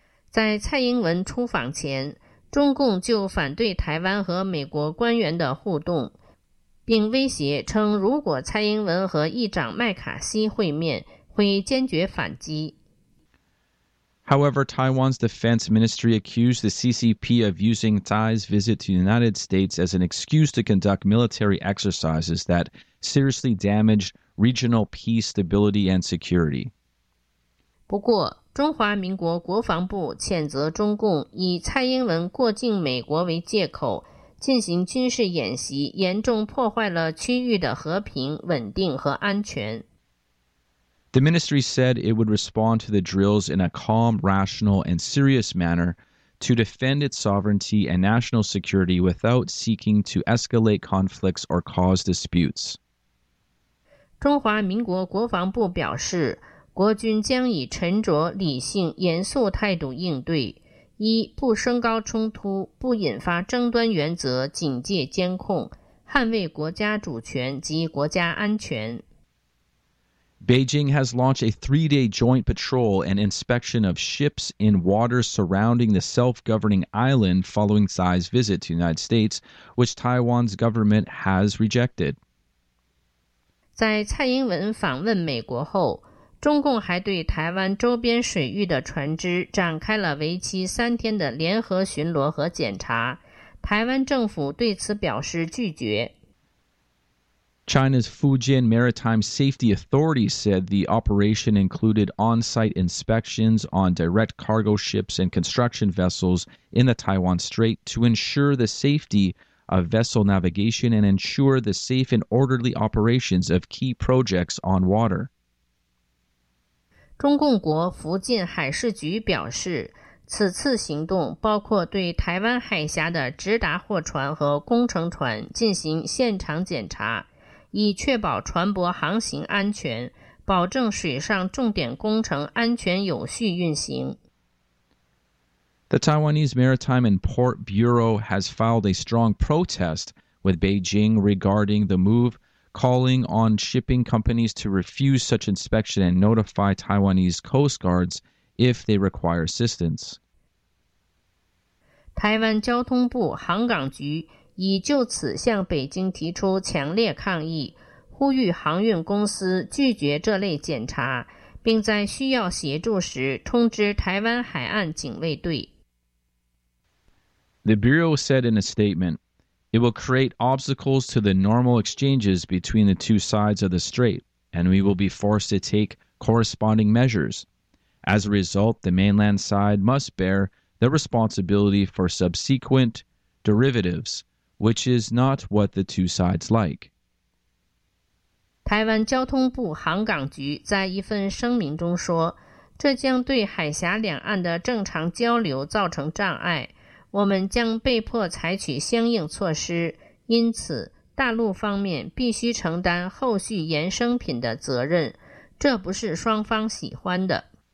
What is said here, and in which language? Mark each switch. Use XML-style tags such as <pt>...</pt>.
<zh>在蔡英文出访前，中共就反对台湾和美国官员的互动，并威胁称如果蔡英文和议长麦卡锡会面，会坚决反击。</zh> <en>However, Taiwan's Defense Ministry accused the CCP of using Tsai's visit to the United States as an excuse to conduct military exercises that seriously damaged regional peace, stability, and security.</en> <zh>不过中华民国国防部谴责中共以蔡英文过境美国为借口进行军事演习，严重破坏了区域的和平、稳定和安全。</zh> <en>The ministry said it would respond to the drills in a calm, rational, and serious manner to defend its sovereignty and national security without seeking to escalate conflicts or cause disputes.</en> <zh>中华民国国防部表示，国军将以沉着、理性、严肃态度应对，一、不升高冲突、不引发争端原则警戒监控，捍卫国家主权及国家安全。</zh> <en>Beijing has launched a three-day joint patrol and inspection of ships in waters surrounding the self-governing island following Tsai's visit to the United States, which Taiwan's government has rejected.</en> <zh>在蔡英文访问美国后，中共还对台湾周边水域的船只展开了为期三天的联合巡逻和检查，台湾政府对此表示拒绝。</zh> <en>China's Fujian Maritime Safety Authority said the operation included on-site inspections on direct cargo ships and construction vessels in the Taiwan Strait to ensure the safety of vessel navigation and ensure the safe and orderly operations of key projects on water.</en> <zh>中共国福建海事局表示，此次行动包括对台湾海峡的直达货船和工程船进行现场检查，以确保船舶航行安全，保证水上重点工程安全有序运行。</zh> <en>The Taiwanese Maritime and Port Bureau has filed a strong protest with Beijing regarding the move,calling on shipping companies to refuse such inspection and notify Taiwanese coast guards if they require assistance.</en> <zh>台湾交通部航港局已就此向北京提出强烈抗议，呼吁航运公司拒绝这类检查，并在需要协助时通知台湾海岸警卫队。</zh> <en>The Bureau said in a statement,It will create obstacles to the normal exchanges between the two sides of the strait, and we will be forced to take corresponding measures. As a result, the mainland side must bear the responsibility for subsequent derivatives, which is not what the two sides like.</en> <zh>台湾交通部航港局在一份声明中说，这将对海峡两岸的正常交流造成障碍，我们将被迫采取相应措施，因此大陆方面必须承担后续衍生品的责任，这不是双方喜欢的。</zh>